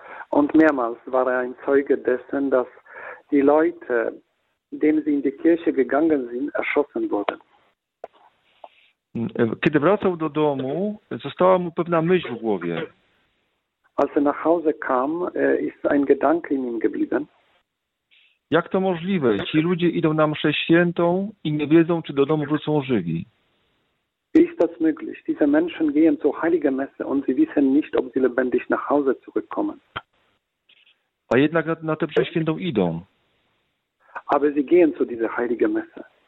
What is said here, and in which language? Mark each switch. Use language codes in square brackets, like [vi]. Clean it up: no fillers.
[de] Und mehrmals war ein Zeuge dessen, dass die Leute, denen sie in die Kirche gegangen sind, erschossen wurden. [pl] Kiedy wracał do domu, została mu pewna myśl w głowie. [de] Als er nach Hause kam, ist ein Gedanke in ihm geblieben. [pl] Jak to możliwe? Ci ludzie idą na mszę świętą i nie wiedzą, czy do domu wrócą żywi. [de] Wie ist das möglich? Diese Menschen gehen zur heiligen Messe und sie wissen nicht, ob sie lebendig nach Hause zurückkommen. [pl] A jednak na tę mszę świętą idą. [de] Aber sie gehen zu dieser heiligen Messe.